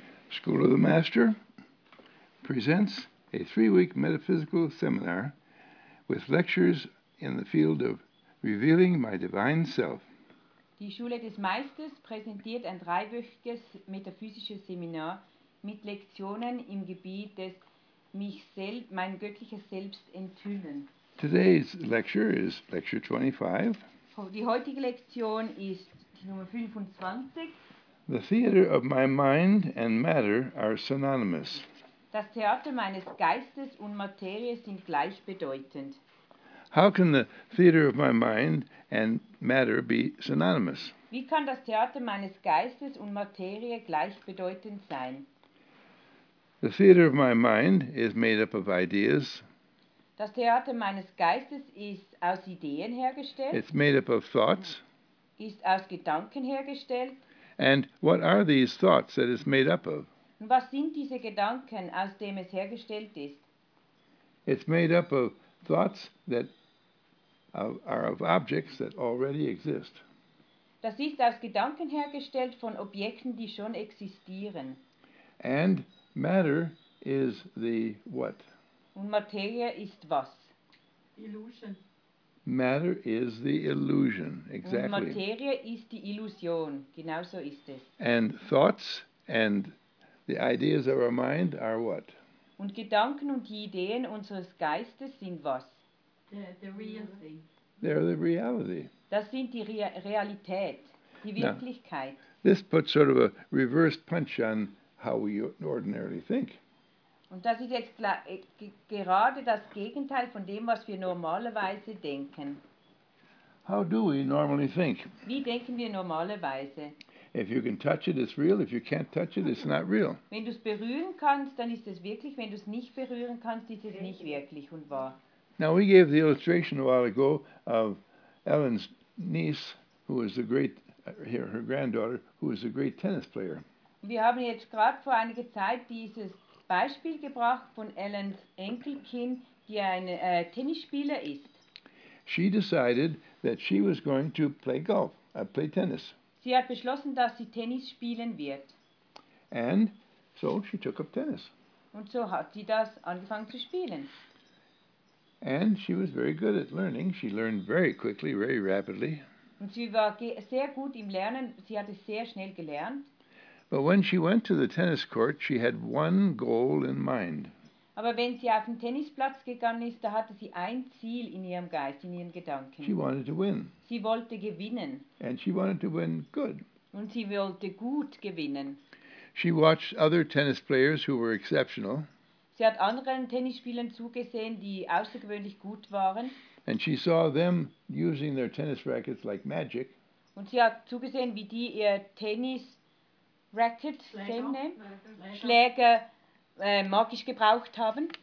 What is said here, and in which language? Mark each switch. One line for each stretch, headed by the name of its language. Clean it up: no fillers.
English: School of the Master presents a three-week metaphysical seminar with lectures in the field of revealing my divine self.
German: Die Schule des Meisters präsentiert ein dreiwöchiges metaphysisches Seminar mit Lektionen im Gebiet des mein göttliches Selbst enthüllen.
English: Today's lecture is lecture 25.
German: Die heutige Lektion ist die Nummer 25.
English: The theater of my mind and matter are synonymous.
German: Das Theater meines Geistes und Materie sind gleichbedeutend.
English: How can the theater of my mind and matter be synonymous?
German: Wie kann das Theater meines Geistes und Materie gleichbedeutend sein?
English: The theater of my mind is made up of ideas.
German: Das Theater meines Geistes ist aus Ideen hergestellt.
English: It's made up of thoughts.
German: Ist aus Gedanken hergestellt.
English: And what are these thoughts that it's made up of?
German: Was sind diese Gedanken, aus dem es hergestellt ist?
English: It's made up of thoughts that are of objects that already exist.
German: Das ist aus Gedanken hergestellt von Objekten, die schon existieren.
English: And matter is the what?
German: Und Materie ist was?
English: Illusion. Matter is the illusion, exactly.
German: Und Materie ist die Illusion, genau so ist es.
English: And thoughts and the ideas of our mind are what?
German: Und Gedanken und die Ideen unseres Geistes sind was?
English: The real thing. They're the reality.
German: Das sind die Realität, die Wirklichkeit.
English: Now, this puts sort of a reverse punch on how we ordinarily think.
German: Und das ist jetzt gerade das Gegenteil von dem, was wir normalerweise denken.
English: How do we normally think?
German: Wie denken wir normalerweise?
English: If you can touch it, it's real. If you can't touch it, it's not real.
German: Wenn du es berühren kannst, dann ist es wirklich. Wenn du es nicht berühren kannst, ist es nicht wirklich und wahr.
English: Now we gave the illustration a while ago of Ellen's niece, who is a great, her granddaughter, who is a great tennis player.
German: Wir haben jetzt gerade vor einiger Zeit dieses Beispiel gebracht von Ellens Enkelkind, die ein Tennisspieler ist.
English: She decided that she was going to play golf, play tennis.
German: Sie hat beschlossen, dass sie Tennis spielen wird.
English: And so she took up tennis.
German: Und so hat sie das angefangen zu spielen.
English: And she was very good at learning. She learned very quickly, very rapidly.
German: Und sie war sehr gut im Lernen. Sie hat es sehr schnell gelernt.
English: But when she went to the tennis court, she had one goal in mind.
German: Aber wenn sie auf den Tennisplatz gegangen ist, da hatte sie ein Ziel in ihrem Geist, in ihren Gedanken.
English: She wanted to win.
German: Sie wollte gewinnen.
English: And she wanted to win good.
German: Und sie wollte gut gewinnen.
English: She watched other tennis players who were exceptional.
German: Sie hat anderen Tennisspielern zugesehen, die außergewöhnlich gut waren.
English: And she saw them using their tennis rackets like magic.
German: Und sie hat zugesehen, wie die ihr Tennis Racket,
English: same name,
German: Schläger magisch gebraucht haben.